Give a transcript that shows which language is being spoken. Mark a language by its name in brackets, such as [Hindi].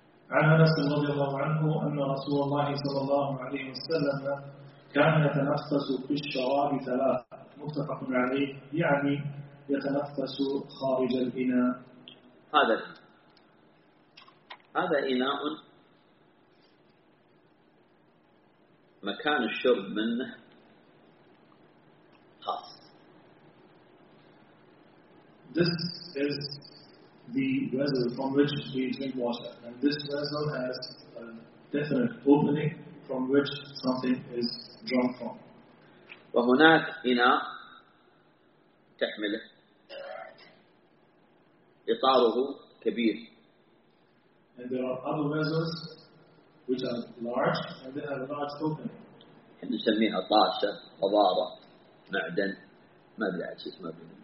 [Arabic] عن أنس رضي الله عنه أن رسول الله صلى الله عليه وسلم كان يتنفس في الشراب ثلاثة متفق عليه يعني يتنفس خارج الإناء. هذا إناء مكان الشرب منه خاص. [English] This is the vessel from which we drink water, and this vessel has a definite opening from which something is drunk from. [Arabic] وهناك إناء تحمله إطاره كبير. [English] And there are other vessels which are large and they have a large opening. [Arabic] إحنا نسميها طاسة، حضارة، معدن، ما أدري عاد شو اسمه.